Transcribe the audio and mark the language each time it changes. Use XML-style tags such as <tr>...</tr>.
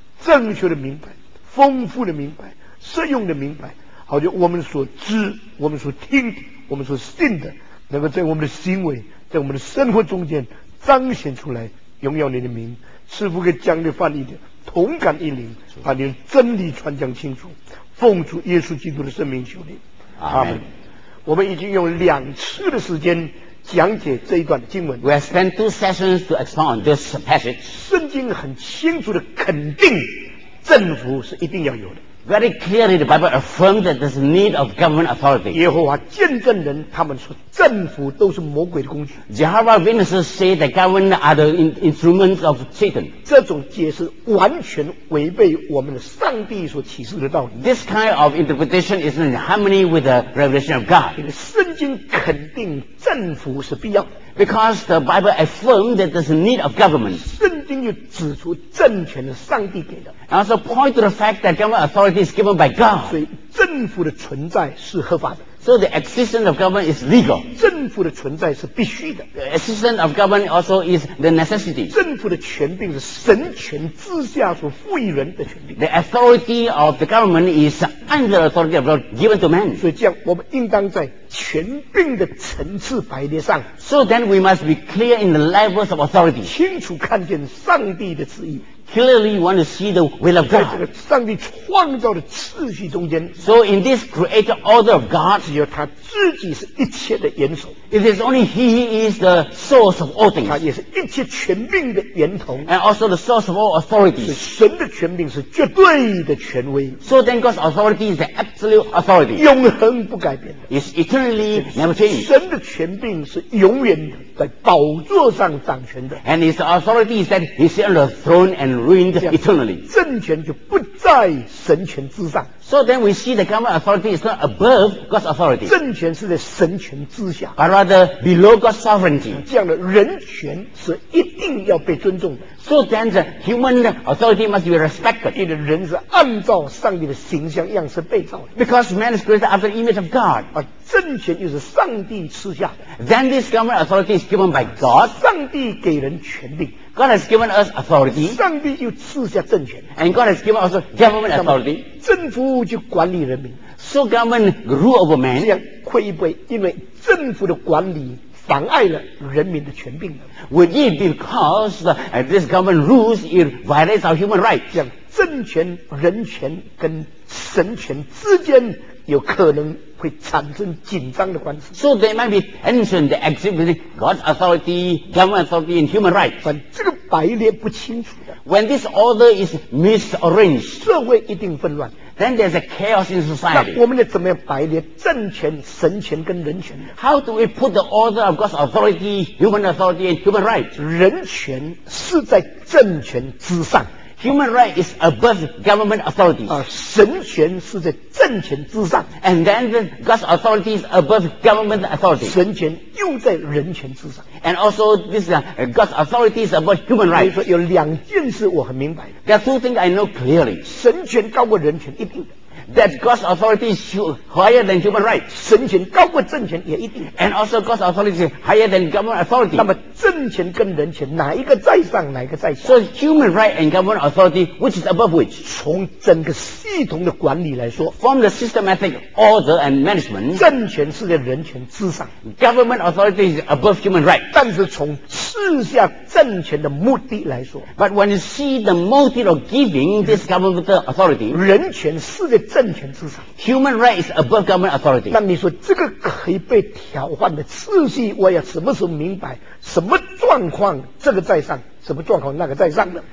<zh>正确的明白，丰富的明白，适用的明白，好像我们所知，我们所听，我们所信的，能够在我们的行为，在我们的生活中间彰显出来，荣耀你的名，赐福给讲的翻译的同感一灵，把你的真理传讲清楚，奉主耶稣基督的圣名求你。阿门。我们已经用两次的时间讲解这一段经文。</zh> <en>We have spent two sessions to expound this passage.</en> <zh>圣经很清楚的肯定，政府是一定要有的。</zh> <en>Very clearly, the Bible affirms that there's a need of government authority.</en> <zh>耶和华见证人他们说，政府都是魔鬼的工具。</zh> <en>Jehovah Witnesses say that government are the instruments of Satan.</en> <zh>这种解释完全违背我们上帝所启示的道理。</zh> <en>This kind of interpretation is in harmony with the revelation of God.</en> <zh>因为圣经肯定政府是必要。</zh> <en>Because the Bible affirms that there's a need of government.</en> <zh>圣经又指出政权是上帝给的。</zh> <en>And also point to the fact that government authority is given by God.</en> <zh>所以政府的存在是合法的。</zh> <en>So the existence of government is legal.</en> <zh>政府的存在是必须的。</zh> <en>The existence of government also is the necessity.</en> <zh>政府的权柄是神权之下所赋予人的权柄。</zh> <en>The authority of the government is under the authority of God given to man.</en> <zh>所以这样我们应当在权柄的层次排列上。</zh> <en>So then we must be clear in the levels of authority.</en> <zh>清楚看见上帝的旨意。</zh> <en>Clearly, you want to see the will of God.</en> <zh>在这个上帝创造的次序中间。</zh> <en>So in this created order of God,</en> <zh>只有他自己是一切的源首。</zh> <en>It is only He is the source of all things.</en> <zh>他也是一切权柄的源头。</zh> <en>And also the source of all authorities.</en> <zh>是神的权柄是绝对的权威。</zh> <en>So then God's authority is the absolute authority.</en> <zh>永恒不改变的。</zh> <en>It's eternally never changed.</en> <zh>神的权柄是永远的。在宝座上掌权的。</zh> <en>And his authority is that he sits on the throne and reigns eternally.</en> <zh>政权就不在神权之上。</zh> <en>So then we see the government authority is not above God's authority.</en> <zh>政权是在神权之下。</zh> <en>But rather below God's sovereignty.</en> <zh>这样的人权是一定要被尊重的。</zh> <en>So then the human authority must be respected.</en> <zh>因为人是按照上帝的形象样式被造的。</zh> <en>Because man is created after the image of God.</en> <zh>政权就是上帝赐下的。</zh> <en>Then this government authority is given by God.</en> <zh>上帝给人权柄。</zh> <en>God has given us authority.</en> <zh>上帝又赐下政权。</zh> <en>And God has given us government authority.</en> <zh>政府就管理人民。</zh> <en>So government rule over man.</en> <zh>这样会不会因为政府的管理妨碍了人民的权柄呢？</zh> <en>Would it be because this government rules it violates our human rights?</en> <zh>这样政权、人权跟神权之间有可能会产生紧张的关系。</zh> <en>So there might be tension that exists between God's authority, government authority, and human rights.</en> <zh>但这个排列不清楚的。</zh> <en>When this order is misarranged,</en> <zh>社会一定纷乱。</zh> <en>Then there's a chaos in society.</en> <zh>那我们要怎么样摆列政权、神权跟人权</zh> <en>？How do we put the order of God's authority, human authority, and human rights?</en> <zh>人权是在政权之上</zh> <en>，human right is above government authority.</en> <zh>啊，神权是在政权之上</zh> <en>，and then the God's authority is above government authority.</en> <zh>神权又在人权之上</zh> <en>，and also this God's authority is above human rights.</en> <zh>所以说有两件事我很明白的</zh> <en>，there are two things I know clearly.</en> <zh>神权高过人权一定的。</zh> <en>That God's authority is higher than human rights.</en> <zh>神权高过政权也一定。</zh> <en>And also God's authority is higher than government authority.</en> <zh>那么政权跟人权哪一个在上，哪一个在下</zh> <en>？So human right and government authority, which is above which?</en> <zh>从整个系统的管理来说</zh> <en>，from the systematic order and management,</en> <zh>政权是在人权之上</zh> <en>，government authority is above human right.</en> <zh>但是从赐下政权的目的来说</zh> <en>，but when you see the motive of giving this government authority,</en> <zh>人权是在政权之上</zh> <en>，human right is above government authority.</en> <zh>那你说这个可以被调换的次序，我要什么时候明白什么状况这个在上，什么状况那个在上呢</zh>